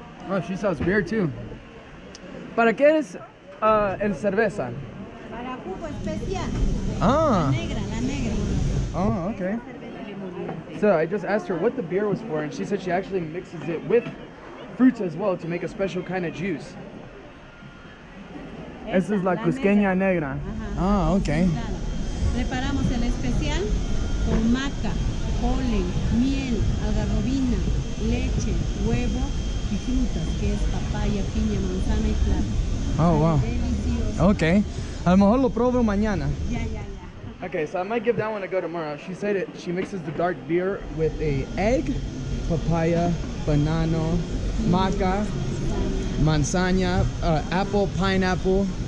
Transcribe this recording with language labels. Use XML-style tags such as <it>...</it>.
<en>Oh, she sells beer too.</en> <es>Para qué es el cerveza? Para jugo especial. Ah. La negra, la negra.</es> <en>Oh, okay. So I just asked her what the beer was for, and she said she actually mixes it with fruits as well to make a special kind of juice.</en> <es>Esta es la cusqueña negra.</es> <en>Ah, okay.</en> <es>Preparamos el especial con maca, polen, miel, algarrobina, leche, huevo y frutas, que es papaya, piña, manzana y plátano.</es> <en>Oh, wow.</en> <es>Delicioso. Okay. A lo mejor lo pruebo mañana. Ya, ya.</es> <en>Okay, so I might give that one a go tomorrow. She said it. She mixes the dark beer with a egg, papaya, banana, maca, manzana, apple, pineapple.</en>